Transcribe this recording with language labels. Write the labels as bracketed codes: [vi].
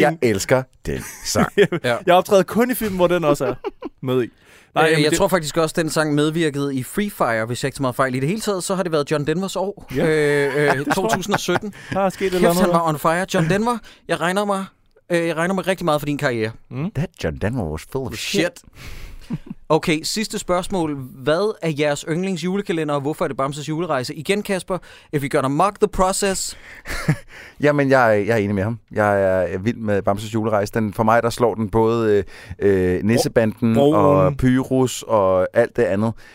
[da] jeg elsker den sang. Jeg optræder kun i filmen, hvor den også er med i. Nej, jeg tror faktisk også, at den sang medvirkede i Free Fire, hvis jeg ikke så meget fejl. I det hele taget, så har det været John Denvers år. Ja. 2017. Der er sket han var [en] on fire. [da] John Denver, jeg regner mig rigtig meget for din karriere. Mm. [en] That John Denver was full of shit. [da] Okay, sidste spørgsmål. Hvad er jeres yndlings julekalender, og hvorfor er det Bamses julerejse? Igen, [en] Kasper, if you're gonna mock the process. [da] Jamen, jeg er enig med ham. Jeg er vild med Bamses julerejse. Den, for mig, der slår den både Nissebanden og Pyrus og alt det andet.